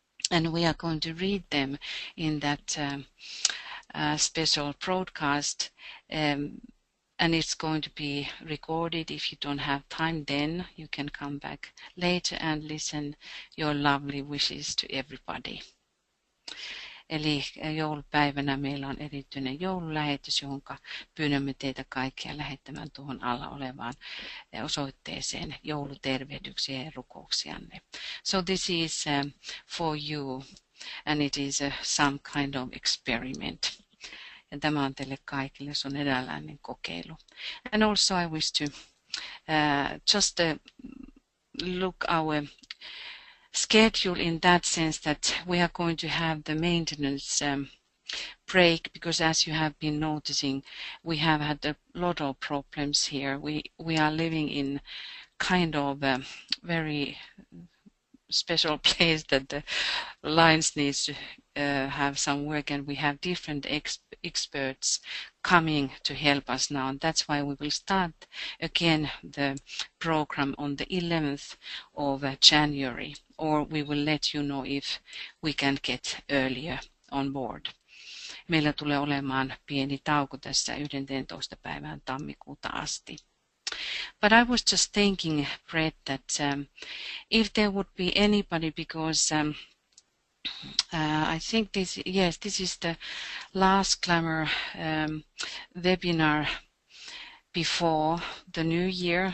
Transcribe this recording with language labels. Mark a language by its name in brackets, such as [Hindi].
[English] And we are going to read them in that special broadcast. And it's going to be recorded. If you don't have time, then you can come back later and listen your lovely wishes to everybody. [Finnish] Eli joulupäivänä meillä on erityinen joululähetys, jonka pyydämme teitä kaikkia lähettämään tuohon alla olevaan osoitteeseen joulutervehdyksiä ja rukouksianne. [English] So this is for you, and it is some kind of experiment. [Finnish] Ja tämä on teille kaikille sun eräänlainen kokeilu. [English] And also I wish to just look our schedule in that sense that we are going to have the maintenance break, because as you have been noticing, we have had a lot of problems here. We are living in kind of a very special place that the lines needs to have some work, and we have different experts coming to help us now, and that's why we will start again the program on the 11th of January, or we will let you know if we can get earlier on board. [Finnish] Meillä tulee olemaan pieni tauko tässä 11. päivään tammikuuta asti. [English] But I was just thinking, Brett, that if there would be anybody, because I think this is the last Glamour webinar before the new year.